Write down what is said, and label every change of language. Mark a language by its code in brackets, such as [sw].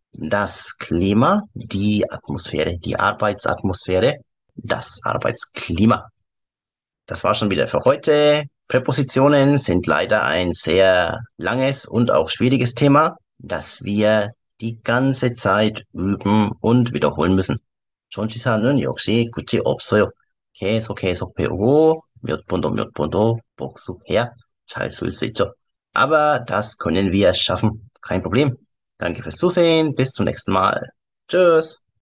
[de] Das Klima, die Atmosphäre, die Arbeitsatmosphäre, das Arbeitsklima. Das war schon wieder für heute. Präpositionen sind leider ein sehr langes und auch schwieriges Thema, das wir die ganze Zeit üben und wiederholen müssen. [ko] 전치사는 역시 끝이 없어요. 계속 배우고 몇번더 복습해야 잘쓸수 있죠. [de] Aber das können wir schaffen. Kein Problem. Danke fürs Zusehen. Bis zum nächsten Mal. Tschüss.